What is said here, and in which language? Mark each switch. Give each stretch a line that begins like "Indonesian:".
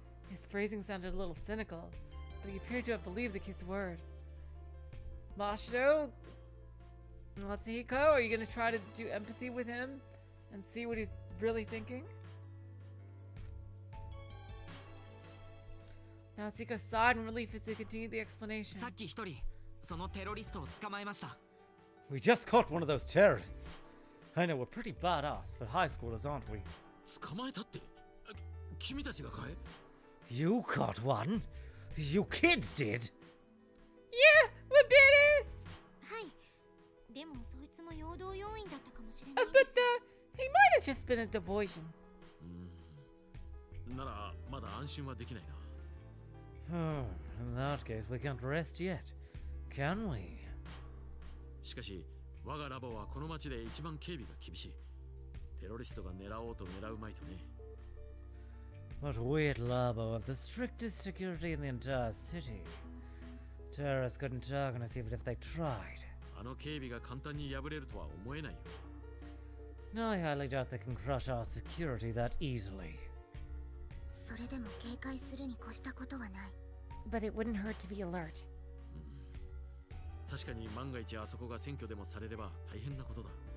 English: His phrasing sounded a little cynical, but he appeared to have believed the kid's word. Mashiro? Natsuhiko, are you going to try to do empathy with him and see what he's really thinking? Natsuhiko sighed in relief as he continued the explanation.
Japanese: さっき一人、そのテロリストを捕まえました。
English: We just caught one of those terrorists. I know we're pretty badass for high schoolers, aren't we?
Japanese: 捕まえたって、君たちがかい?
English: You caught one? You kids did? Yeah, we're badass!
Japanese: はい。でもそいつも陽動要員だったかもしれないです。
English: But he might have just been a diversion.
Japanese: なら、まだ安心はできないな。
English: In that case, we can't rest yet, can we?
Japanese: しかし、我がラボはこの町で一番警備が厳しい。テロリストが狙おうと狙うまいとね。
English: But we at Labo have the strictest security in the entire city. Terrorists couldn't target us even if they tried.
Japanese: あの警備が簡単に破れるとは思えないよ。
English: No, I highly doubt they can crush our security that easily.
Japanese: それでも警戒するに越したことはない。
English: But it wouldn't hurt to be alert.
Japanese: 確かに万が一あそこが占拠でもされれば大変なことだ。